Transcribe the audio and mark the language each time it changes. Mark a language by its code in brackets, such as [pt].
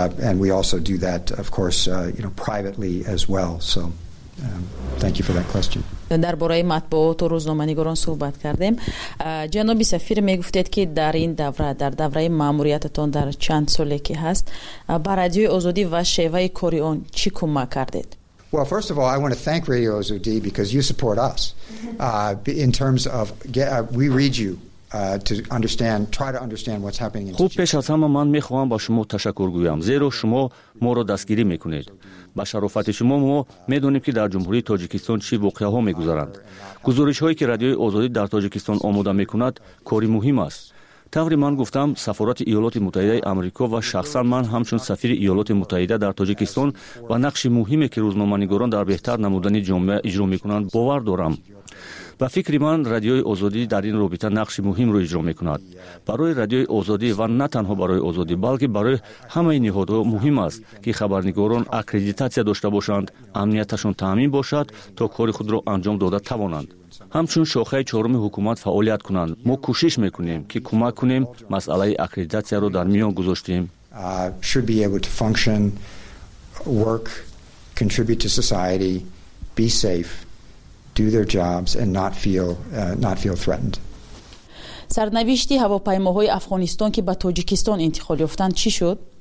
[en] And we also do that, of course, privately as well. So, thank you for that question. [fa] در باره مطبوعات و روزنامه‌نگاران صحبت کردیم. جناب سفیر میگفتید که در این دوره، در دوره ماموریتتان در چند سالی که هست، به رادیوی آزادی و شیوه کاری آن چی کمک کردید؟ [en] Well, first of all, I want to thank Radio Azadi because you support us. In terms of we read you to understand what's happening in [fa] خوب پیش از همه من میخواهم با شما تشکر گویم، زیرا شما ما را دستگیری میکنید. با شرافت شما ما میدونیم که در جمهوری تاجیکستان چی واقعه ها میگذارند. گزارش هایی که رادیوی آزادی در تاجیکستان آماده میکند کاری مهم است. طوری من گفتم، سفارت ایالات متحده آمریکا و شخصا من همچون سفیر ایالات متحده در تاجیکستان و نقش مهمی که روزنامه‌نگاران در بهتر نمودن جامعه اجرا میکنند باور دارم. و فکری من رادیوی آزادی در این رابطه نقش مهم رو اجرا میکند. برای رادیوی آزادی و نه تنها برای آزادی بلکه برای همه نهادها مهم است که خبرنگاران اکریدیتاسیا داشته باشند، امنیتشون تامین باشد تا کار خود را انجام داده توانند. همچون شاخه چهارم حکومت فعالیت کنند. ما کوشش میکنیم که کمک کنیم مسئله اکریدیتاسیا را در میان گذاشتیم. [en] Should be able to function, work, contribute to society, be safe, do their jobs and not feel threatened. [fa] سرنوشتی هواپیماهای افغانستان که به تاجیکستان انتقال یافتند چی شد؟